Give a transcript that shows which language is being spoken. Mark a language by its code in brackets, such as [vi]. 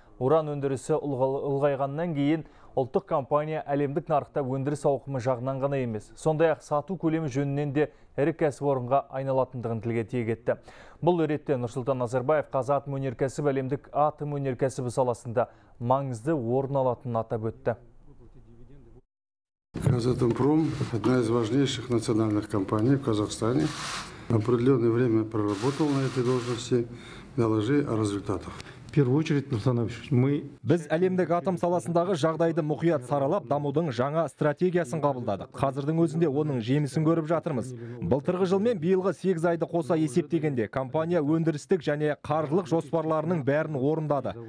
[kk] Уран өндірісі ұлғайғаннан кейін ұлттық компания әлемдік нарықта өндіріс ауқымы жағынан ғана емес, сондай-ақ сату көлемі жөнінен де ірі кәсіпорынға айналатындығын тілге тиек етті. Бұл ретте Нұрсұлтан Назарбаев Қазатомөнеркәсіп әлемдік атомөнеркәсібі саласында маңызды орын алатынын атап өтті. [ru] Қазатомпром – одна из важнейших национальных компаний в Казахстане. Определенное время проработал на этой должности. Доложи о результатах. [kk] Біз әлемдік атом саласындағы жағдайды мұқият саралап, дамудың жаңа стратегиясын қабылдадық. Қазірдің өзінде оның жемісін көріп жатырмыз. Былтырғы жылмен биылғы 8 айды қоса есептегенде, компания өндірістік және қаржылық жоспарларының бәрін орындады.